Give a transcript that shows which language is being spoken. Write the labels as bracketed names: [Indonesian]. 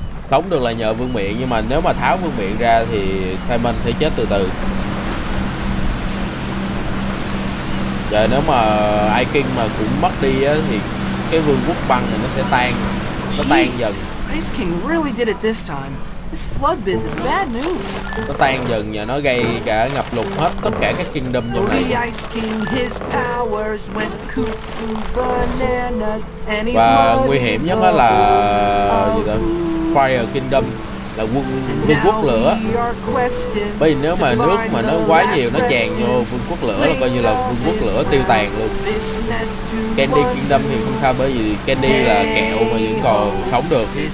[Vietnamese] Sống được là nhờ vương miện nhưng mà nếu mà tháo vương miện ra thì Simon sẽ chết từ từ. Giờ nếu mà Ai King mà cũng mất đi á thì cái vương quốc băng này nó tan dần. [English] Ice King really did it this time. This flood business is bad news. [Vietnamese] Nó tan dần và nó gây cả ngập lụt hết tất cả các kingdom trong này. [English] Ice King, his powers went cuckoo bananas. [Vietnamese] Và nguy hiểm nhất á là gì đó? Fire Kingdom là vương quốc lửa. Bởi vì nếu mà nước mà nó quá nhiều, nó tràn vô vương quốc lửa là coi như là vương quốc lửa tiêu tàn luôn. Candy Kingdom thì không sao, bởi vì Candy là kẹo mà vẫn còn sống được.